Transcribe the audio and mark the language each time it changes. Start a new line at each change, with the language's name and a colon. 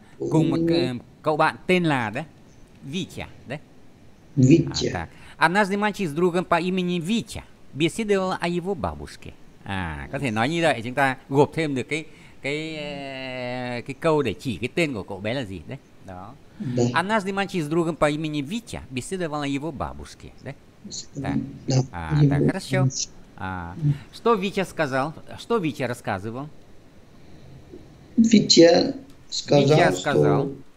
Vietnamese: Cùng một cậu bạn tên là, да?
Russian: Витя, да? Витя. Так. Однажды мальчик с другом по имени Витя беседовал о его бабушке.
Vietnamese: Có thể nói như vậy, chúng ta gộp thêm được cái câu để chỉ cái tên của cậu bé là gì đấy. Đó.
Russian: Однажды мальчик с другом по имени Витя беседовал о его бабушке, да? Так. Да. Так, хорошо. Что Витя сказал? Что Витя рассказывал? Витя сказал,